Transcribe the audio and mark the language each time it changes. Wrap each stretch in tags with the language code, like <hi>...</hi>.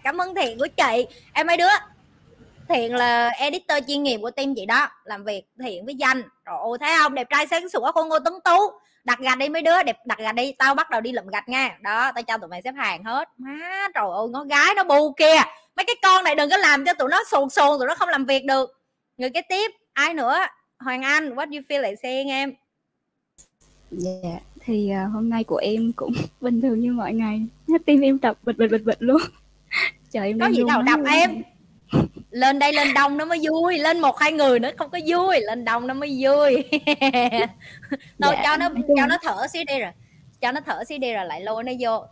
<vi>Cảm ơn Thiện của chị. Em mấy đứa, Thiện là editor chuyên nghiệp của team chị đó, làm việc Thiện với Danh. Trời ơi, thấy không, đẹp trai sáng sủa con Ngô Tuấn Tú. Đặt gạch đi mấy đứa, đẹp, đặt gạch đi, tao bắt đầu đi lượm gạch nha. Đó, tao cho tụi mày xếp hàng hết. Má, trời ơi, ngó gái nó bu kìa. Mấy cái con này đừng có làm cho tụi nó sồn sồn, tụi nó không làm việc được. Người kế tiếp ai nữa?</vi> <en>Hoàng Anh, what you feel like saying</en> <vi>em? Dạ,</vi> <en>yeah,</en> <vi>thì hôm nay của em cũng bình thường như mọi ngày. Tim em đập bịch luôn. Trời, em có gì đâu đập em. Lên đây lên đông nó mới vui, lên một hai người nữa không có vui, lên đông nó mới vui. Thôi cho nó thở xíu đi rồi. Cho nó thở xíu đi rồi lại lôi nó vô.</vi>